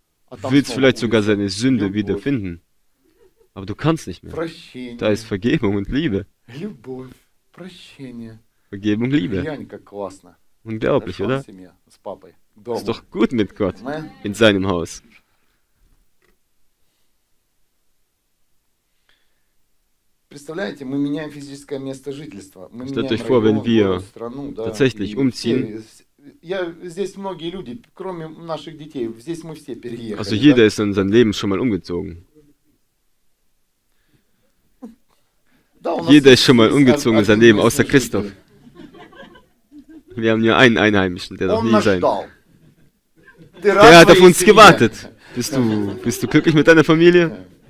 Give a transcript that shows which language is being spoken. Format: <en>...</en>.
<de>Du willst vielleicht sogar seine Sünde wiederfinden. Aber du kannst nicht mehr. Da ist Vergebung und Liebe. Vergebung, Liebe. Unglaublich, oder? Ist doch gut mit Gott in seinem Haus.</de> <ru>Представляете, мы меняем физическое место жительства. Мы</ru> <de>Stellt euch vor, wenn wir</de> <ru>страну,</ru> <de>tatsächlich да, umziehen.</de> <ru>Здесь многие люди, кроме наших детей, здесь мы все переехали.</ru> <de>Also jeder ist in seinem Leben schon mal umgezogen. Jeder ist schon mal umgezogen in seinem Leben, außer Christoph. Wir haben nur einen Einheimischen, der darf nie sein. Der hat auf uns gewartet. Bist du glücklich mit deiner Familie?</de>